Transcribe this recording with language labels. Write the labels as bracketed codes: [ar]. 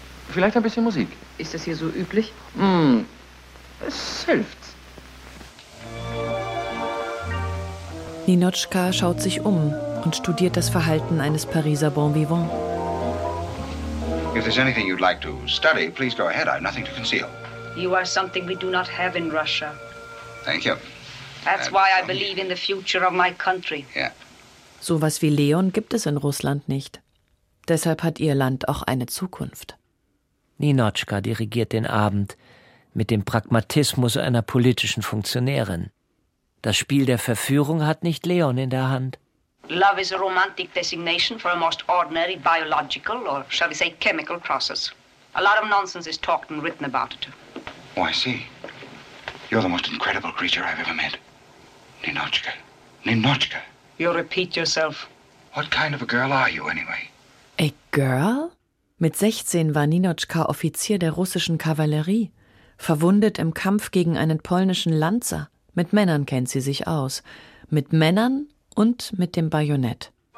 [de] Vielleicht ein bisschen Musik. Ist das hier so üblich? Es hilft. Ninotchka schaut sich um und studiert das Verhalten eines Pariser Bon Vivant. [en] If there's anything you'd like to study, please go ahead. I have nothing to conceal. You are something we do not have in Russia. Thank you. That's why I believe in the future of my country. Yeah. [de] So was wie Leon gibt es in Russland nicht. Deshalb hat ihr Land auch eine Zukunft. Ninotchka dirigiert den Abend mit dem Pragmatismus einer politischen Funktionärin. Das Spiel der Verführung hat nicht Leon in der Hand. [en] Love is a romantic designation for a most ordinary biological or shall we say chemical process. A lot of nonsense is talked and written about it. Oh, I see. You're the most incredible creature I've ever met. Ninotchka. Ninotchka. You'll repeat yourself. What kind of a girl are you anyway? A girl? [de] Mit 16 war Ninotchka Offizier der russischen Kavallerie, verwundet im Kampf gegen einen polnischen Lanzer. Mit Männern kennt sie sich aus. Mit Männern und mit dem Bajonett.